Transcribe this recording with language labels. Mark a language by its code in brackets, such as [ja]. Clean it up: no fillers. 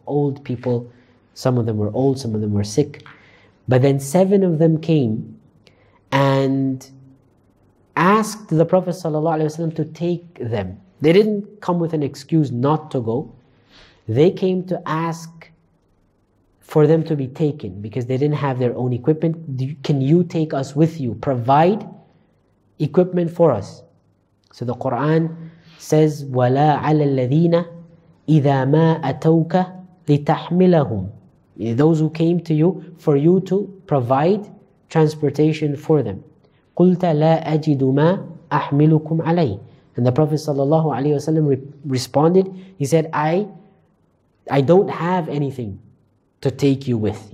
[en] Old people, some of them were old, some of them were sick. But then seven of them came and asked the Prophet ﷺ to take them. They didn't come with an excuse not to go. They came to ask for them to be taken because they didn't have their own equipment. Can you take us with you? Provide equipment for us. So the Quran says, [ar] وَلَا عَلَى الَّذِينَ إِذَا مَا أَتَوْكَ لِتَحْمِلَهُمْ. [en] Those who came to you for you to provide transportation for them. [ar] قُلْتَ لَا أَجِدُ مَا أَحْمِلُكُمْ عَلَيْهِ. [en] And the Prophet sallallahu alaihi wasallam responded. He said, "I don't have anything to take you with.